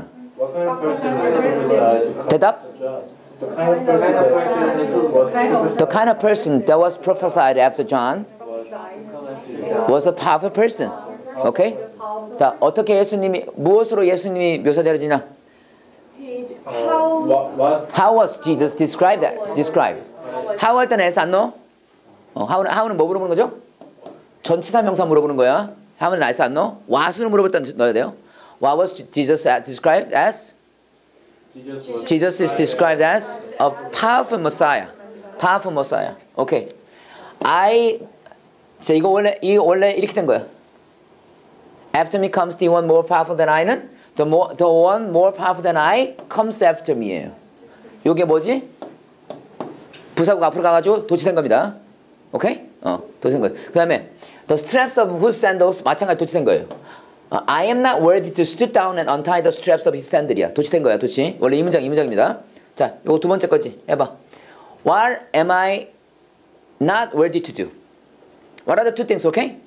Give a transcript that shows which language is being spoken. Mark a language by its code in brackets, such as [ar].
[en] What kind of person was prophesied to come after John? The kind of person that was prophesied after John was a powerful person. Okay? [ko] 자, 어떻게 예수님이 무엇으로 예수님이 묘사되어지나? [en] How was Jesus described? How [ko] 할 때는 에스 안 넣어? How는 뭐 물어보는 거죠? 전치사 명사 물어보는 거야. How는 nice, I know. What으로 물어볼 때 넣어야 돼요. What was Jesus described as? [en] Jesus is described as a powerful Messiah. Powerful Messiah. Okay. [ko] 자, 이거 원래 이렇게 된 거야. [en] After me comes the one more powerful than I는 the one more powerful than I comes after me예요. [ko] 이게 뭐지? 부사구 앞으로 가가지고 도치된 겁니다. 오케이? Okay? 도치된 거예요. 그 다음에 [en] The straps of whose sandals [ko] 마찬가지 도치된 거예요. [en] I am not worthy to stoop down and untie the straps of his sandals이야. [ko] 도치된 거야, 도치. 원래 이 문장입니다. 자, 요거 두 번째 거지. 해봐. [en] What am I not worthy to do? What are the two things, okay?